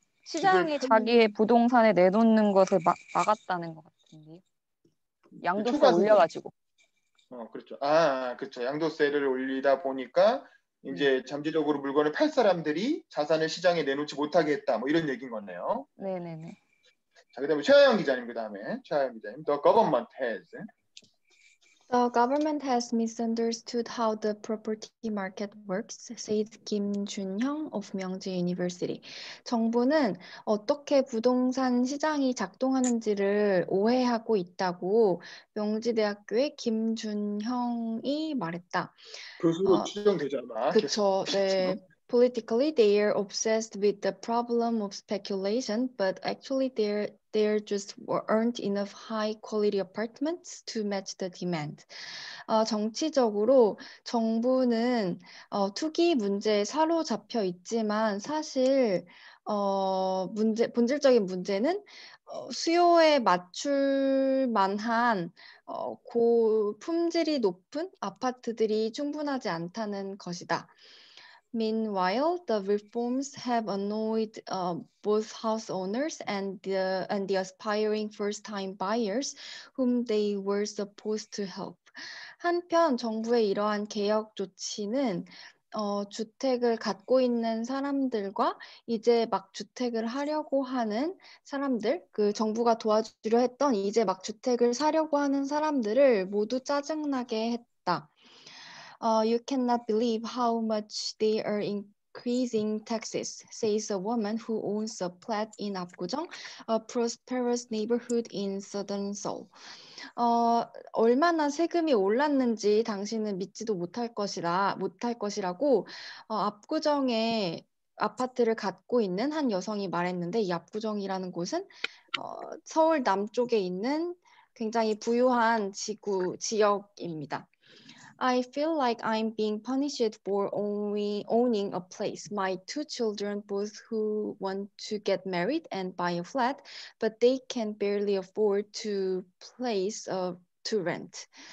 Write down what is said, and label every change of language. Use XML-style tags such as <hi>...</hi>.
<ko>시장이 자기의 부동산에 내놓는 것을 막았다는 것 같은데 양도세 올려가지고. 그렇죠. 아, 그렇죠. 양도세를 올리다 보니까 이제 잠재적으로 물건을 팔 사람들이 자산을 시장에 내놓지 못하게 했다. 뭐 이런 얘긴 거네요. 네네네. 자, 그다음에 최하영 기자님 그다음에 최하영 기자님.</ko> <en>The government has. The government has misunderstood how the property market works, said Kim Jun-hyung of Myeongji University.</en> <ko>정부는 어떻게 부동산 시장이 작동하는지를 오해하고 있다고 명지대학교의 김준형이 말했다. 교수로 추정되잖아. 그렇죠. 네.</ko> <en>Politically, they are obsessed with the problem of speculation, but actually there just aren't enough high-quality apartments to match the demand.</en> <ko>정치적으로 정부는 투기 문제에 사로잡혀 있지만 사실 본질적인 문제는 수요에 맞출 만한 고품질이 높은 아파트들이 충분하지 않다는 것이다.</ko> <en>Meanwhile, the reforms have annoyed both house owners and the aspiring first-time buyers whom they were supposed to help.</en> <ko>한편 정부의 이러한 개혁 조치는 주택을 갖고 있는 사람들과 이제 막 주택을 하려고 하는 사람들, 그 정부가 도와주려 했던 이제 막 주택을 사려고 하는 사람들을 모두 짜증나게 했다.</ko> <en>You cannot believe how much they are increasing taxes, says a woman who owns a flat in Apgujeong, a prosperous neighborhood in southern Seoul.</en> <ko>얼마나 세금이 올랐는지 당신은 믿지도 못할 것이라고 압구정에 아파트를 갖고 있는 한 여성이 말했는데 이 압구정이라는 곳은 서울 남쪽에 있는 굉장히 부유한 지역입니다.</ko> <en>I feel like I'm being punished for only owning a place. My two children, both who want to get married and buy a flat, but they can barely afford to place to rent.</en>